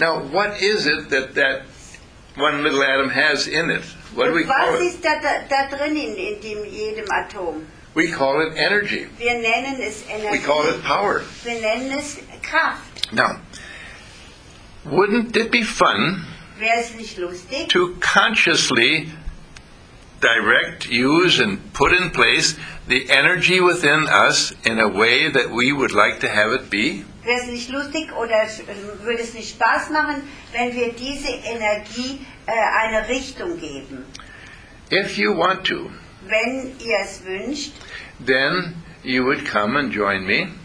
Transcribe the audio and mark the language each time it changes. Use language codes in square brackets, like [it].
[en] Now, what is it that one little atom has in it? What do we call it? [de] Was ist da drin in dem jedem Atom? [en] We call it energy. [de] Wir nennen es Energie. [en] We call it power. [de] Wir nennen es Kraft. [en] Now, wouldn't it be fun [de] Wär's nicht lustig? [en] To consciously direct, use, and put in place the energy within us in a way that we would like to have it be? [de] Wär's nicht lustig oder würde es nicht Spaß machen, wenn wir diese Energie eine Richtung geben? [en] If you want to, [de] wenn ihr es wünscht, [en] then you would come and join me.